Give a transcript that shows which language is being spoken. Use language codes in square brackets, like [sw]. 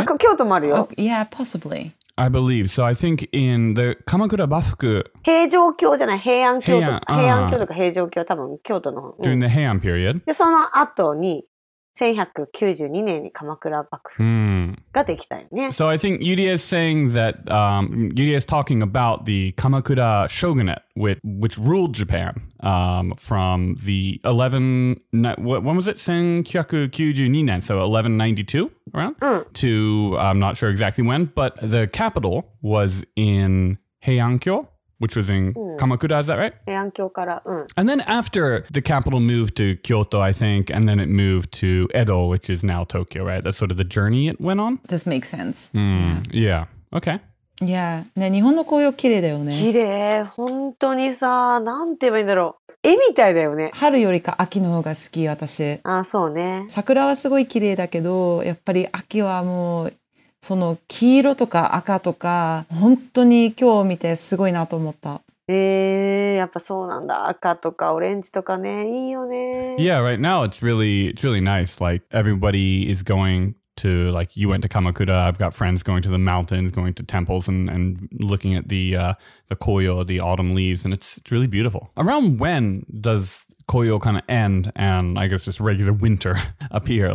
[ja] あ、京都もあるよ。 [en] Oh, yeah, possibly. I believe. So I think in the 鎌倉幕府。 [ja] 平城京じゃない、平安京都。平安京とか平城京、多分京都の方。 [en] During the 平安 period. [ja] で、その後に、1192年に鎌倉幕府ができたよね。 [en] So I think Yuri is saying that, Yuri is talking about the Kamakura Shogunate, which ruled Japan, from the 1192 年, so 1192 around, to, I'm not sure exactly when, but the capital was in Heiankyo. Which was in Kamakura, is that right? [ja] Heiankyo から, [en] And then after the capital moved to Kyoto, I think, and then it moved to Edo, which is now Tokyo, right? That's sort of the journey it went on? This makes sense. Yeah. Okay. Yeah. [ja] ね、日本の紅葉綺麗だよね。綺麗。本当にさ、なんて言えばいいんだろう。絵みたいだよね。春よりか秋の方が好き、私。あ、そうね。桜はすごい綺麗だけど、やっぱり秋はもう…その黄色とか赤とか本当に今日見てすごいなと思った。やっぱそうなんだ。赤とかオレンジとかね、いいよね。 [en] Yeah, right now it's really nice. Like everybody is going to like, you went to Kamakura, I've got friends going to the mountains, going to temples and looking at the koyo, the autumn leaves, and it's really beautiful. Around when does koyo kind of end and I guess just regular winter appear?